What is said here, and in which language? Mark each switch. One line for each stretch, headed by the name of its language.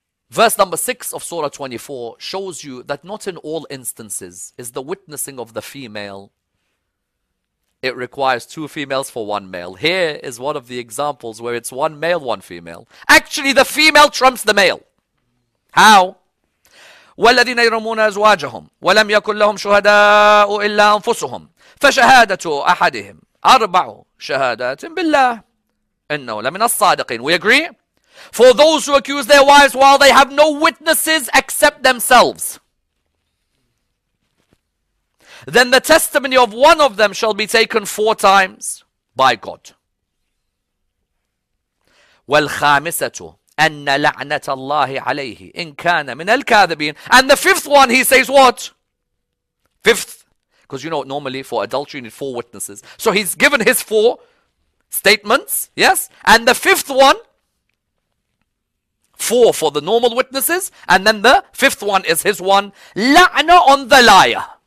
English: Verse number 6 of Surah 24 shows you that not in all instances is the witnessing of the female, it requires two females for one male. Here is one of the examples where it's one male, one female. Actually, the female trumps the male. How?
Arabic: وَالَّذِينَ يَرْمُونَ أَزْوَاجَهُمْ وَلَمْ يَكُنْ لَهُمْ شُهَدَاءُ إِلَّا أَنفُسُهُمْ فَشَهَادَةُ أَحَدِهِمْ أربع شهادات بالله إنه لمن الصادقين.
English: We agree? For those who accuse their wives while they have no witnesses except themselves, then the testimony of one of them shall be taken four times by God.
Arabic: والخامسة أن لعنة الله عليه إن كان من الكاذبين.
English: And the fifth one, he says what? Fifth. Because you know, normally for adultery you need four witnesses. So he's given his four statements, yes? And the fifth one, 4 for the normal witnesses, and then the fifth one is his one, la'na on the liar.